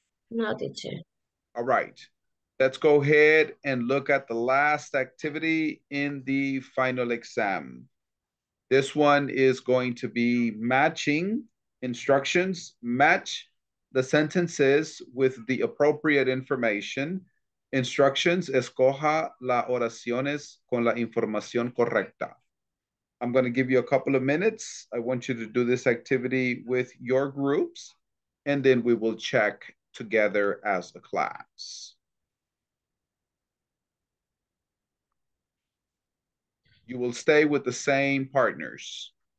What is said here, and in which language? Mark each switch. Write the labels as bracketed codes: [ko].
[en] No, teacher. All right. Let's go ahead and look at the last activity in the final exam. This one is going to be matching instructions. Match the sentences with the appropriate information. Instructions, [es] escoja las oraciones con la información correcta. [en] I'm going to give you a couple of minutes. I want you to do this activity with your groups, and then we will check together as a class. You will stay with the same partners.